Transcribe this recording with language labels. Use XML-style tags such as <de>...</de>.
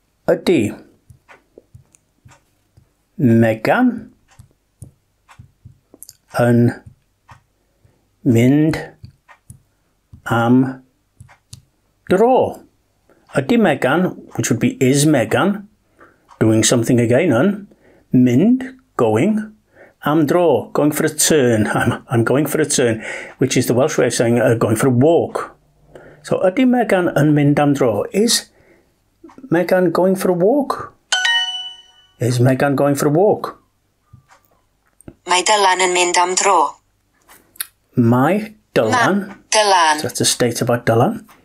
<cy>Ydy Megan yn mynd am dro? Ydy Megan,</cy> <en>which would be is Megan, doing something again,</en> <cy>yn mynd,</cy> <en>going,</en> <cy>am dro,</cy> <en>going for a turn. I'm going for a turn, which is the Welsh way of saying going for a walk.</en> <cy>So, ydy Megan yn mynd am dro?</cy> <en>Is Megan going for a walk? Is Megan going for a walk?</en> <cy>Mae Dylan yn mynd am dro. Mae Dylan. Dylan.</cy> <en>So, that's a state about Dylan.</en>